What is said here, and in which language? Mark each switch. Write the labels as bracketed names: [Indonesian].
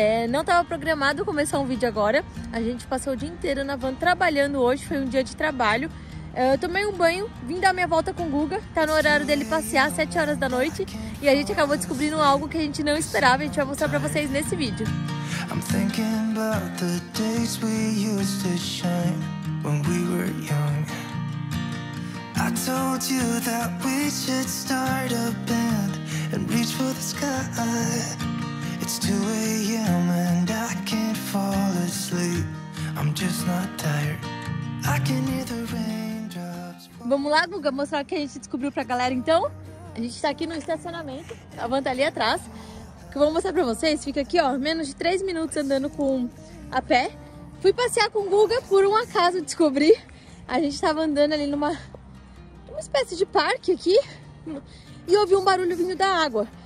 [Portuguese] Não estava programado começar um vídeo agora. A gente passou o dia inteiro na van trabalhando hoje, foi um dia de trabalho. Eu tomei um banho, vim dar minha volta com o Guga. Tá no horário dele passear, 7 horas da noite. E a gente acabou descobrindo algo que a gente não esperava. A gente vai mostrar pra vocês nesse vídeo. [English] I'm thinking about the days we used to shine when we were young. I told you that we should start a band and reach for the sky. It's 2 a.m. and I can't fall asleep. I'm just not tired. I can hear the raindrops. [Portuguese] Vamos lá, Guga, mostrar o que a gente descobriu pra galera então. A gente tá aqui no estacionamento, a van tá ali atrás. O que eu vou mostrar pra vocês, fica aqui, ó, menos de 3 minutos andando com a pé. Fui passear com o Guga, por um acaso descobri. A gente tava andando ali numa espécie de parque aqui e ouvi um barulho vindo da água.